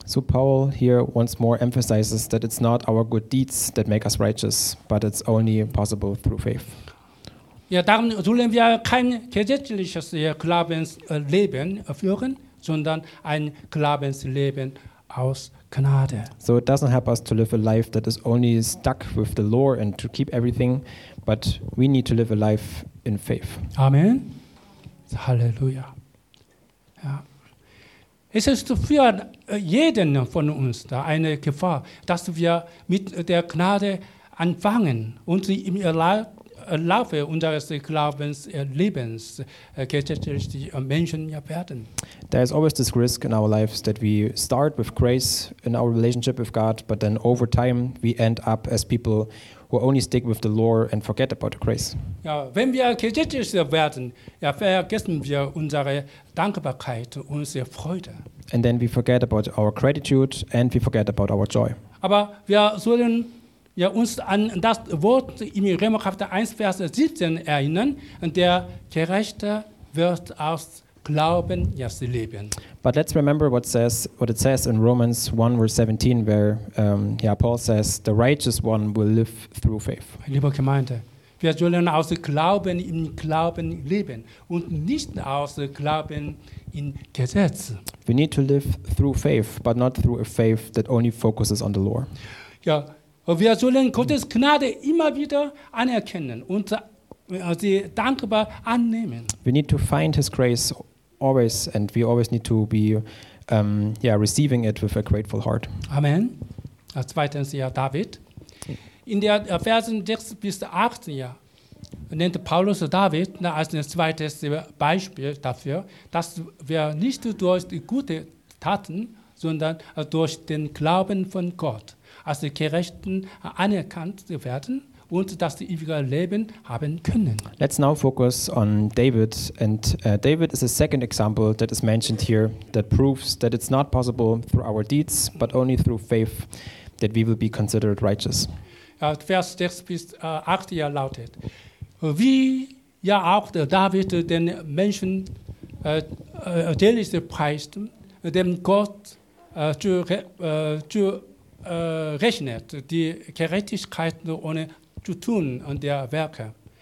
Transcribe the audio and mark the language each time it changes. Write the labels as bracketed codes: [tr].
[en] So Paul here once more emphasizes that it's not our good deeds that make us righteous, but it's only possible through faith. [de] Ja, darum sollen wir kein gesetzliches Glaubensleben führen, sondern ein Glaubensleben aus Gnade. [en] So it doesn't help us to live a life that is only stuck with the law and to keep everything, but we need to live a life in faith. [de] Amen. Halleluja. Ja. Es ist für jeden von uns da eine Gefahr, dass wir mit der Gnade anfangen und sie im Laufe unseres Glaubenslebens gesetzlich Menschen werden. [en] There is always this risk in our lives that we start with grace in our relationship with God, but then over time we end up as people who only stick with the law and forget about the grace. [de] Ja, wenn wir gesetzlich werden, ja, vergessen wir unsere Dankbarkeit und unsere Freude. [en] And then we forget about our gratitude and we forget about our joy. [de] Aber wir sollen ja uns an das Wort im Römer Kapitel 1 Vers 17 erinnern, der Gerechte wird aus Glauben jetzt leben. [en] But let's remember what it says in Romans 1 verse 17, where Paul says the righteous one will live through faith. [de] Liebe Gemeinde, wir sollen aus Glauben im Glauben leben und nicht aus Glauben in Gesetz. [en] We need to live through faith, but not through a faith that only focuses on the law. [de] Ja. Und wir sollen Gottes Gnade immer wieder anerkennen und sie dankbar annehmen. [en] We need to find his grace always and we always need to be receiving it with a grateful heart. [de] Amen. Zweitens, ja, David. In der Versen 6 bis 18 ja, nennt Paulus David als ein zweites Beispiel dafür, dass wir nicht durch die gute Taten, sondern durch den Glauben von Gott als Gerechten anerkannt werden und das ewige Leben haben können. [en] Let's now focus on David. And David is a second example that is mentioned here that proves that it's not possible through our deeds, but only through faith that we will be considered righteous. [de] Vers 6 bis 8 ja lautet, wie ja auch David den Menschen täglich preist, dem Gott rechnet die Gerechtigkeit ohne zu tun und der Werke.